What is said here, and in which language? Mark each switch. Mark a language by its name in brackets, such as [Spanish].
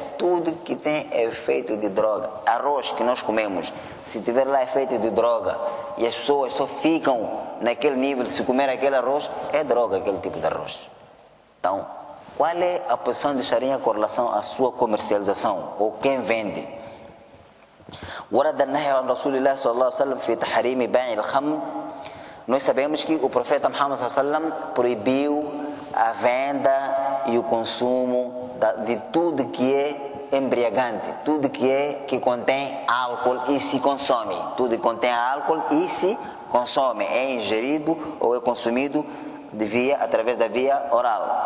[Portuguese] Tudo que tem efeito de droga. Arroz que nós comemos, se tiver lá efeito de droga e as pessoas só ficam naquele nível de se comer aquele arroz, é droga aquele tipo de arroz. Então, qual é a posição de Sharia com relação à sua comercialização ou quem vende? [Arabic] ورد النهي عن رسول الله صلى الله عليه وسلم في تحريم بيع الخمر. [Portuguese] Nós sabemos que o profeta Muhammad صلى الله عليه وسلم proibiu a venda e o consumo de tudo que é embriagante, tudo que é que contém álcool e se consome. Tudo que contém álcool e se consome, é ingerido ou é consumido de via, através da via oral.